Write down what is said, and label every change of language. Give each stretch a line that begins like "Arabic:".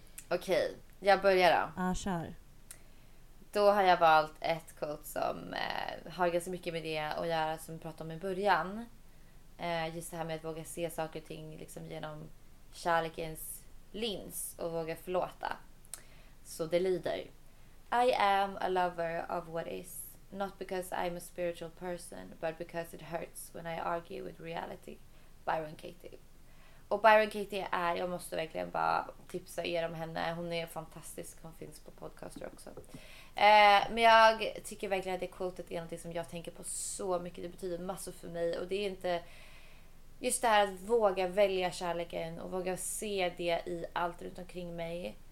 Swedish: Okej, jag börjar då. Ja, kör. Då har jag valt ett quote som har ganska mycket med det att göra som vi pratade om i början. Just det här med att våga se saker och ting liksom genom kärlekens lins och våga förlåta. Så det lyder:
English: I am a lover of what is, not because I'm a spiritual person, but because it hurts when I argue with reality.
Swedish: Byron Katie. Och Byron Katie är, jag måste verkligen bara tipsa er om henne, hon är fantastisk, hon finns på podcaster också. Men jag tycker verkligen att det quotet är något som jag tänker på så mycket. Det betyder massor för mig. Och det är inte just det här att våga välja kärleken och våga se det i allt runt omkring mig.